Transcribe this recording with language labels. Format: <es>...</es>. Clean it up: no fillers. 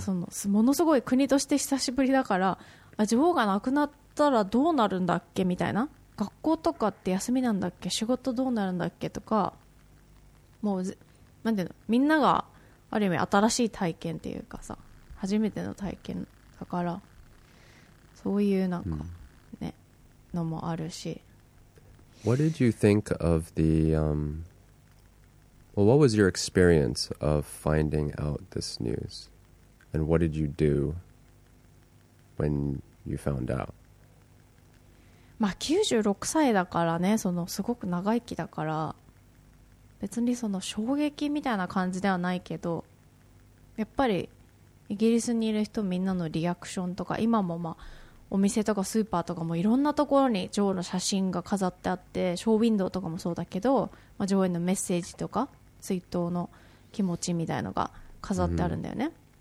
<ja>そのものすごい国として久しぶりだから、あ、女王が亡くなったらどうなるんだっけみたいな、学校とかって休みなんだっけ、仕事どうなるんだっけとか、もうなんていうの、みんながある意味新しい体験っていうかさ、初めての体験だから、そういうなんかね、のもあるし。</ja> <en>What did you think of the well, what was your experience of finding out this news? And what did you do when you found out?</en> <ja>まあ96歳だからね、そのすごく長生きだから、別にその衝撃みたいな感じではないけど、やっぱりイギリスにいる人みんなのリアクションとか、今もまあお店とかスーパーとかもいろんなところに女王の写真が飾ってあって、ショーウィンドウとかもそうだけど、まあ、女王へのメッセージとか追悼の気持ちみたいのが飾ってあるんだよね、</ja>